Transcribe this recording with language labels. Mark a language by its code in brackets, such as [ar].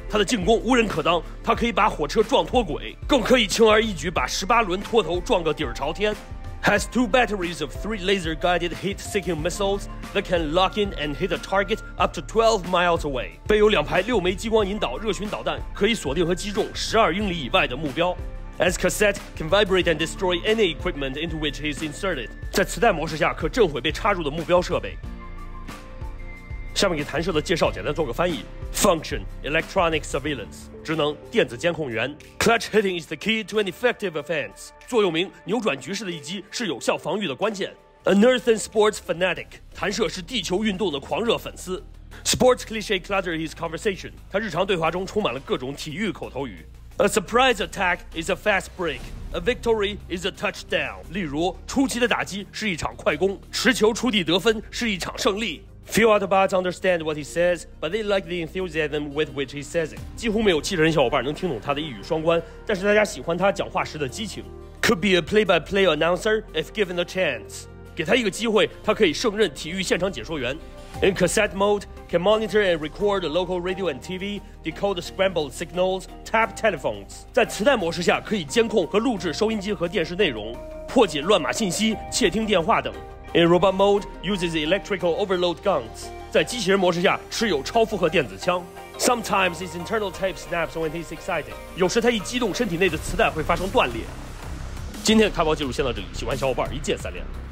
[zh] 他的进攻无人可挡，他可以把火车撞脱轨，更可以轻而易举把十八轮拖头撞个底儿朝天。 [en] Has two batteries of three laser-guided heat-seeking missiles that can lock in and hit a target up to 12 miles away. [zh] 备有两排六枚激光引导热巡导弹，可以锁定和击中12英里以外的目标。 [en] As cassette can vibrate and destroy any equipment into which he is inserted. [zh] 在磁带模式下可震毁被插入的目标设备。下面给弹射的介绍简单做个翻译。 [en] Function, electronic surveillance. [zh] 职能电子监控员。 [en] Clutch hitting is the key to an effective offense. [zh] 座右铭扭转局势的一击是有效防御的关键。 [en] An earthen sports fanatic. [zh] 弹射是地球运动的狂热粉丝。 [en] Sports cliche clutter his conversation. [zh] 他日常对话中充满了各种体育口头语。 [en] A surprise attack is a fast break. A victory is a touchdown. [zh] 例如，出奇的打击是一场快攻，持球出地得分是一场胜利。 [en] Few Autobots understand what he says, but they like the enthusiasm with which he says it. [zh] 几乎没有汽车人小伙伴能听懂他的一语双关，但是大家喜欢他讲话时的激情。 [en] Could be a play-by-play announcer if given a chance. [zh] 给他一个机会，他可以胜任体育现场解说员。 [en] In cassette mode, can monitor and record local radio and TV, decode scrambled signals, tap telephones. [zh] 在磁带模式下可以监控和录制收音机和电视内容，破解乱码信息，窃听电话等。 [en] In robot mode, uses electrical overload guns. [zh] 在机器人模式下持有超负荷电子枪。 [en] Sometimes his internal tape snaps when he's excited. [zh] 有时他一激动身体内的磁带会发生断裂。今天的开包记录先到这里，喜欢小伙伴一键三连。